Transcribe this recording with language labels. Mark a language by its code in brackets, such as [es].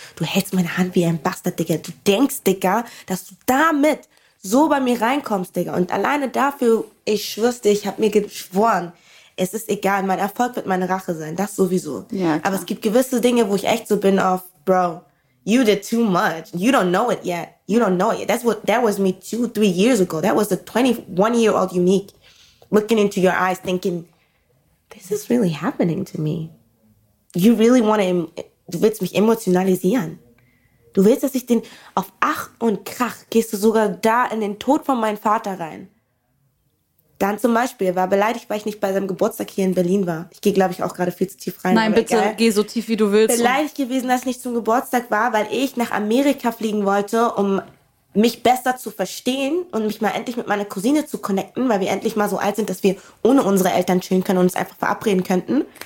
[de] Du hältst meine Hand wie ein Bastard, Digga. Du denkst, Digga, dass du damit so bei mir reinkommst, Digga. Und alleine dafür, ich schwör's dir, ich habe mir geschworen, es ist egal, mein Erfolg wird meine Rache sein, das sowieso. Ja, klar. Aber es gibt gewisse Dinge, wo ich echt so bin auf, Bro, [en] you did too much. You don't know it yet. You don't know it yet. That's what, that was me 2-3 years ago. That was a 21-year-old Unique looking into your eyes thinking, this is really happening to me. You really want to, [de] du willst mich emotionalisieren. Du willst, dass ich den, auf Ach und Krach gehst du sogar da in den Tod von meinem Vater rein. Dann zum Beispiel, war beleidigt, weil ich nicht bei seinem Geburtstag hier in Berlin war. Ich gehe, glaube ich, auch gerade viel zu tief rein. Nein, bitte, egal. Geh so tief, wie du willst. Beleidigt gewesen, dass ich nicht zum Geburtstag war, weil ich nach Amerika fliegen wollte, um mich besser zu verstehen und mich mal endlich mit meiner Cousine zu connecten, weil wir endlich mal so alt sind, dass wir ohne unsere Eltern chillen können und uns einfach verabreden könnten.